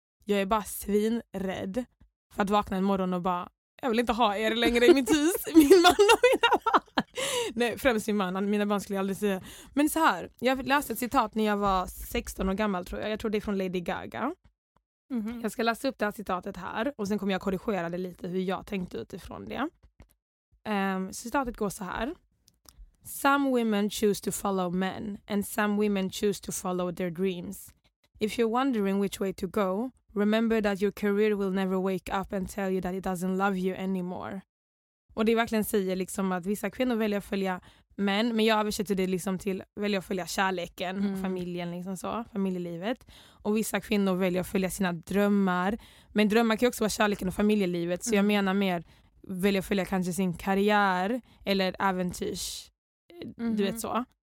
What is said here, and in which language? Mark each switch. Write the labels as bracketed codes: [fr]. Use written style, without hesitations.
[sv] Jag är bara svinrädd för att vakna en morgon och bara, jag vill inte ha er längre i mitt hus, min man och mina barn. Nej, främst min man, mina barn skulle jag aldrig säga. Men så här, jag läste ett citat när jag var 16 år gammal tror jag. Jag tror det är från Lady Gaga. Mm-hmm. Jag ska läsa upp det här citatet här och sen kommer jag korrigera det lite hur jag tänkte utifrån det. Citatet går så här. [en] Some women choose to follow men and some women choose to follow their dreams. If you're wondering which way to go, remember that your career will never wake up and tell you that it doesn't love you anymore. [sv] Och det verkligen säger liksom att vissa kvinnor väljer att följa män. Men jag översätter det liksom till väljer att följa kärleken, familjen, liksom så, familjelivet. Och vissa kvinnor väljer att följa sina drömmar. Men drömmar kan ju också vara kärleken och familjelivet. Så jag menar mer väljer att följa kanske sin karriär eller äventyrs, du vet så.